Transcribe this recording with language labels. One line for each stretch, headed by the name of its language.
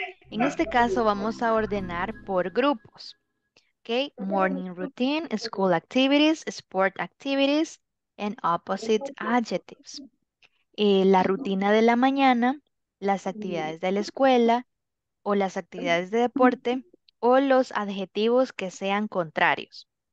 Spanish: En este caso vamos a ordenar por grupos.
English: Okay, morning routine, school activities, sport activities, and opposite adjectives.
Spanish: La rutina de la mañana, las actividades de la escuela, o las actividades de deporte, o los adjetivos que sean contrarios.